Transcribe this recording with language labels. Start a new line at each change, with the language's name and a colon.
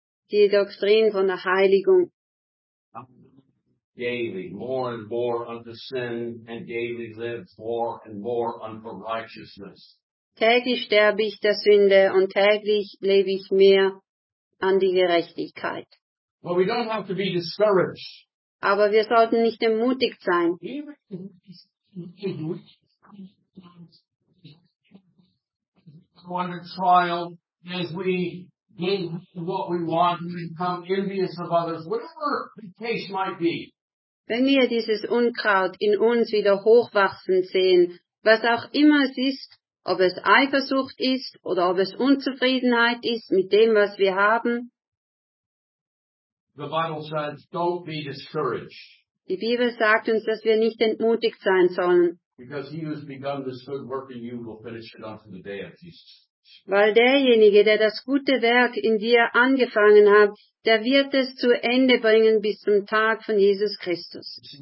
German: Die Doktrin von der Heiligung.
English: Daily, more and more unto sin, and daily live more and more unto righteousness.
German: Täglich sterbe ich der Sünde und täglich lebe ich mehr an die Gerechtigkeit.
English: But we don't have to be discouraged.
German: Aber wir sollten nicht entmutigt sein.
English: Even if we go under trial, as we what we want, we become envious of others, whatever the case might be.
German: Wenn wir dieses Unkraut in uns wieder hochwachsen sehen, was auch immer es ist, ob es Eifersucht ist oder ob es Unzufriedenheit ist mit dem, was wir haben.
English: The Bible says, don't be discouraged.
German: Die Bibel sagt uns, dass wir nicht entmutigt sein sollen.
English: Because he who has begun this good work in you will finish it unto the day of Jesus.
German: Weil derjenige, der das gute Werk in dir angefangen hat, der wird es zu Ende bringen bis zum Tag von Jesus Christus.